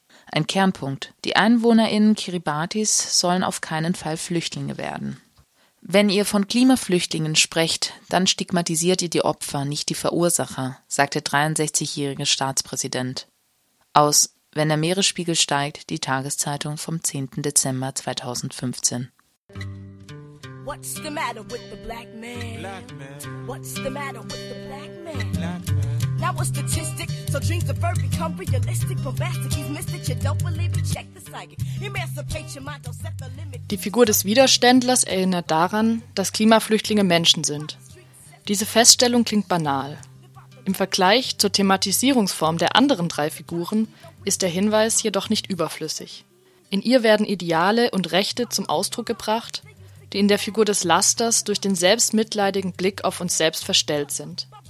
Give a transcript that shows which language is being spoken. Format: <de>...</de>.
<de>Ein Kernpunkt: Die EinwohnerInnen Kiribatis sollen auf keinen Fall Flüchtlinge werden. Wenn ihr von Klimaflüchtlingen sprecht, dann stigmatisiert ihr die Opfer, nicht die Verursacher, sagt der 63-jährige Staatspräsident. Aus Wenn der Meeresspiegel steigt, die Tageszeitung vom 10. Dezember 2015.</de> <en>What's the matter with the black man? Black man. What's the matter with the black man? Black man. Now a statistic, so dreams of earth become realistic, but master, he's missed it, you don't believe it, check the psychic, emancipate your mind, don't set the limit.</en> <de>Die Figur des Widerständlers erinnert daran, dass Klimaflüchtlinge Menschen sind. Diese Feststellung klingt banal. Im Vergleich zur Thematisierungsform der anderen drei Figuren ist der Hinweis jedoch nicht überflüssig. In ihr werden Ideale und Rechte zum Ausdruck gebracht, die in der Figur des Lasters durch den selbstmitleidigen Blick auf uns selbst verstellt sind.</de>